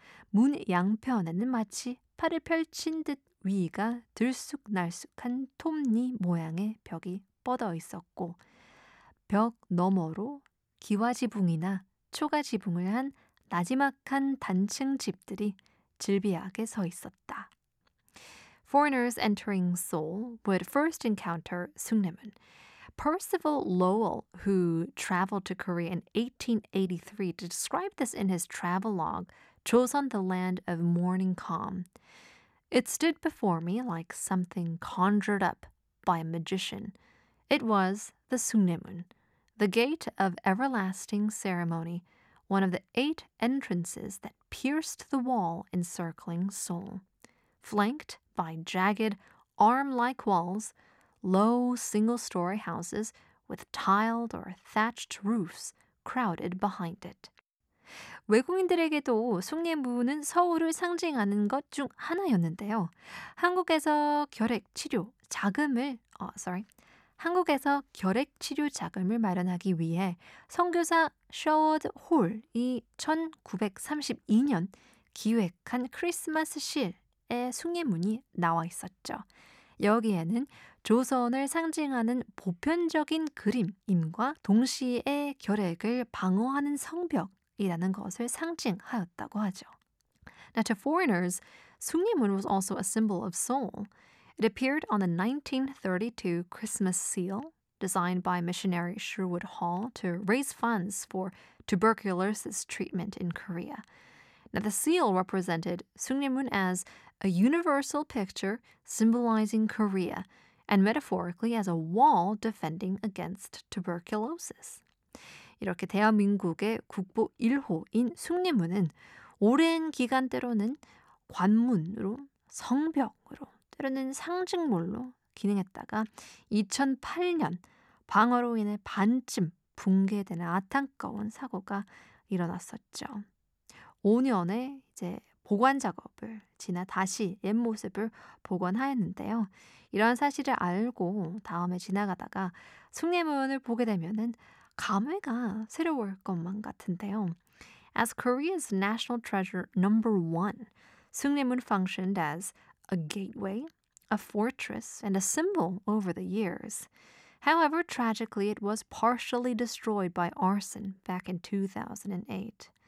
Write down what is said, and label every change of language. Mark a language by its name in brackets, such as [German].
[Korean] 문 양편에는 마치 팔을 펼친 듯 위가 들쑥날쑥한 톱니 모양의 벽이 뻗어 있었고 벽 너머로 기와지붕이나 초가지붕을 한 나지막한 단층 집들이 즐비하게 서 있었다. [English] Foreigners entering Seoul would first encounter 숭례문. Percival Lowell, who traveled to Korea in 1883, described this in his travelogue, Joseon, the Land of Morning Calm. It stood before me like something conjured up by a magician. It was the 숭례문, the gate of everlasting ceremony, one of the eight entrances that pierced the wall encircling Seoul. Flanked by jagged, arm-like walls, low single-story houses with tiled or thatched roofs crowded behind it. [Korean] 외국인들에게도 숭례문은 서울을 상징하는 것 중 하나였는데요. 한국에서 결핵 치료 자금을 한국에서 결핵 치료 자금을 마련하기 위해 선교사 셔워드 홀이 1932년 기획한 크리스마스 실에 숭례문이 나와 있었죠. 여기에는 조선을 상징하는 보편적인 그림임과 동시에 결핵을 방어하는 성벽이라는 것을 상징하였다고 하죠. [English] Now to foreigners, 숭례문 was also a symbol of Seoul. It appeared on the 1932 Christmas seal designed by missionary Sherwood Hall to raise funds for tuberculosis treatment in Korea. Now the seal represented 숭례문 as a universal picture symbolizing Korea and metaphorically as a wall defending against tuberculosis. [Korean] 이렇게 대한민국의 국보 1호인 숭례문은 오랜 기간 때로는 관문으로, 성벽으로, 때로는 상징물로 기능했다가 2008년 방어로 인해 반쯤 붕괴되는 아탕거운 사고가 일어났었죠. 5년에 이제 보관 작업을 지나 다시 옛 모습을 복원하였는데요. 이런 사실을 알고 다음에 지나가다가 숭례문을 보게 되면은 감회가 새로울 것만 같은데요. [English] As Korea's national treasure number one, 숭례문 functioned as a gateway, a fortress, and a symbol over the years. However, tragically, it was partially destroyed by arson back in 2008.